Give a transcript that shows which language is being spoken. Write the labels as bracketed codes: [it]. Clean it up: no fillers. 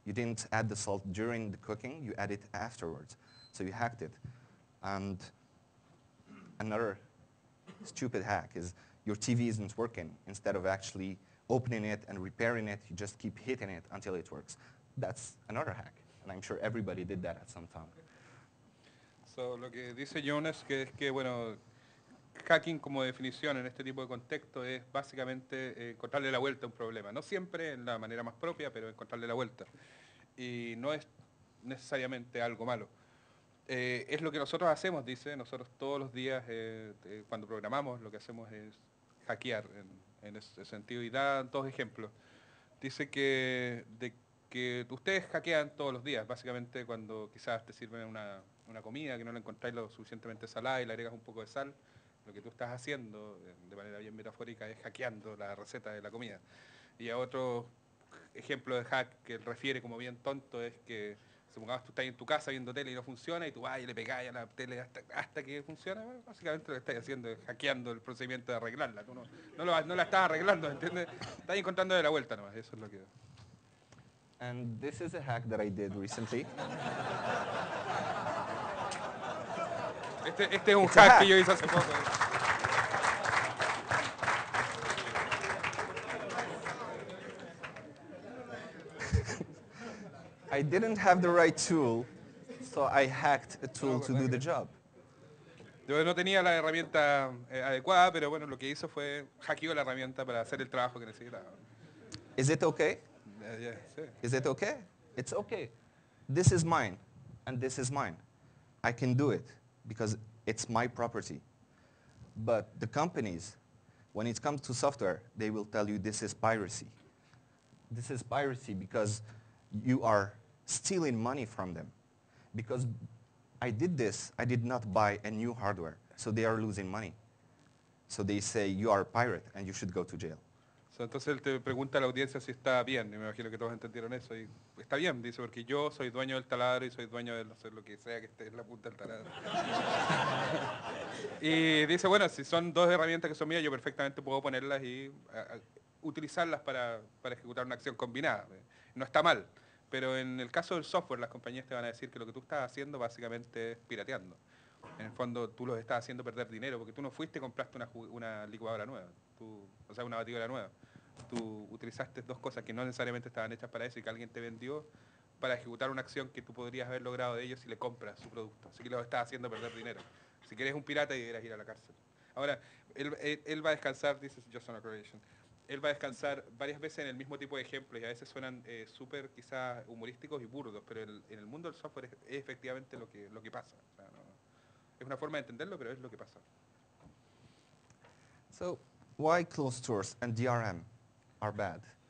[en] You didn't add the salt during the cooking, you added it afterwards. So you hacked it. And another stupid hack is your TV isn't working. Instead of actually opening it and repairing it, you just keep hitting it until it works. That's another hack, and I'm sure everybody did that at some time. [es] So, lo que dice Jonas que es que, bueno, hacking como definición en este tipo de contexto es básicamente encontrarle la vuelta a un problema. No siempre en la manera más propia, pero encontrarle la vuelta. Y no es necesariamente algo malo. Es lo que nosotros hacemos, dice. Nosotros todos los días, cuando programamos, lo que hacemos es hackear en ese sentido. Y da dos ejemplos. Dice que que ustedes hackean todos los días, básicamente cuando quizás te sirven una comida que no la encontráis lo suficientemente salada y le agregas un poco de sal, lo que tú estás haciendo, de manera bien metafórica, es hackeando la receta de la comida. Y a otro ejemplo de hack que él refiere como bien tonto es que, supongamos, tú estás en tu casa viendo tele y no funciona, y tú vas y le pegás a la tele hasta que funciona, bueno, básicamente lo que estás haciendo es hackeando el procedimiento de arreglarla. Tú no la estás arreglando, ¿entiendes? Estás encontrando de la vuelta nomás, eso es lo que... [en] And this is a hack that I did recently. [es] Este es un hack que yo hice hace poco. [en] I didn't have the right tool, so I hacked a tool to do the job. [es] Yo no tenía la herramienta adecuada, pero bueno, lo que hizo fue hackeó la herramienta para hacer el trabajo que necesitaba. [en] Is it okay? Yeah, sí. Is it okay? It's okay. This is mine, and this is mine. I can do it because it's my property. But the companies, when it comes to software, they will tell you this is piracy. This is piracy because you are stealing money from them. Because I did this, I did not buy a new hardware, so they are losing money. So they say you are a pirate and you should go to jail. [es] So, entonces él te pregunta a la audiencia si está bien, y me imagino que todos entendieron eso, y está bien, dice, porque yo soy dueño del taladro y soy dueño de hacer lo que sea que esté en la punta del taladro. Y dice, bueno, si son dos herramientas que son mías, yo perfectamente puedo ponerlas y utilizarlas para ejecutar una acción combinada. No está mal, pero en el caso del software, las compañías te van a decir que lo que tú estás haciendo básicamente es pirateando. En el fondo, tú los estás haciendo perder dinero, porque tú no fuiste y compraste una licuadora nueva. Una batidora nueva. Tú utilizaste dos cosas que no necesariamente estaban hechas para eso y que alguien te vendió para ejecutar una acción que tú podrías haber logrado de ellos si le compras su producto. Así que lo estás haciendo perder dinero. Si quieres un pirata y deberías ir a la cárcel. Ahora, él va a descansar, dice Johnson Corporation, él va a descansar varias veces en el mismo tipo de ejemplos y a veces suenan súper quizás humorísticos y burdos, pero en el mundo del software es efectivamente lo que pasa. O sea, no, es una forma de entenderlo, pero es lo que pasa. [en] So, why closed source and DRM are bad?